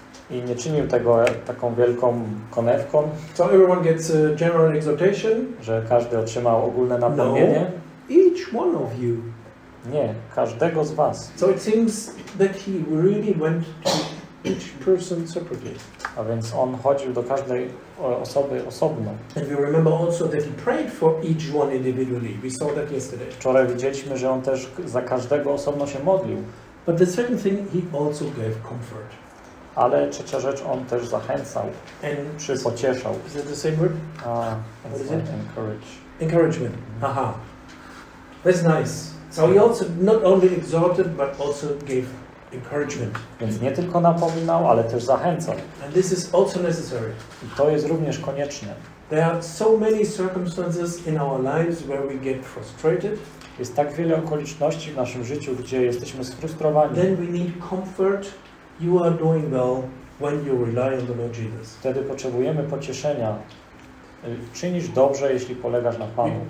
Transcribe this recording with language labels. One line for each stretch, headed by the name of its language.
Polish: I nie czynił tego taką wielką konewką.
English: So everyone gets a general exhortation.
Polish: Że każdy otrzymał ogólne napomnienie.
English: No, each one of you.
Polish: Nie, każdego z was.
English: So it seems that he really went to each person separately.
Polish: A więc on chodził do każdej osoby osobno.
English: And we remember also that he prayed for each one individually. We saw that yesterday.
Polish: Wczoraj widzieliśmy, że on też za każdego osobno się modlił.
English: But the second thing, he also gave comfort.
Polish: Ale trzecia rzecz, on też zachęcał, pocieszał.
English: Is it the same word? Encourage. Encouragement. Aha. That's nice. So he also not only exhorted, but also gave encouragement.
Polish: Więc nie tylko napominał, ale też zachęcał.
English: And this is also necessary.
Polish: I to jest również konieczne.
English: There are so many circumstances in our lives where we get frustrated.
Polish: Jest tak wiele okoliczności w naszym życiu, gdzie jesteśmy sfrustrowani.
English: Then we need comfort. You are doing well when you rely on the Lord Jesus.
Polish: Wtedy potrzebujemy pocieszenia. Czynisz dobrze, jeśli polegasz na Panu.